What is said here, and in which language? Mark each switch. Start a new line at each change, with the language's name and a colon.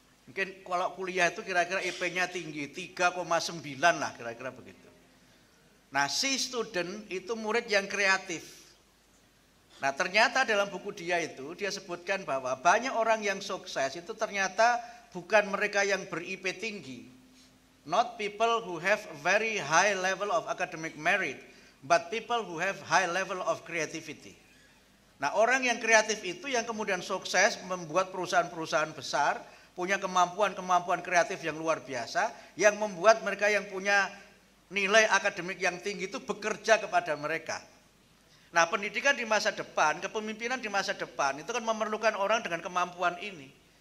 Indonesian: Mungkin kalau kuliah itu kira-kira IP-nya tinggi, 3,9 lah kira-kira begitu. Nah, C student itu murid yang kreatif. Nah, ternyata dalam buku dia itu, dia sebutkan bahwa banyak orang yang sukses itu ternyata bukan mereka yang ber-IP tinggi.
English: Not people who have very high level of academic merit, but people who have high level of creativity.
Indonesian: Nah, orang yang kreatif itu yang kemudian sukses membuat perusahaan-perusahaan besar, punya kemampuan-kemampuan kreatif yang luar biasa, yang membuat mereka yang punya nilai akademik yang tinggi itu bekerja kepada mereka. Nah, pendidikan di masa depan, kepemimpinan di masa depan, itu kan memerlukan orang dengan kemampuan ini.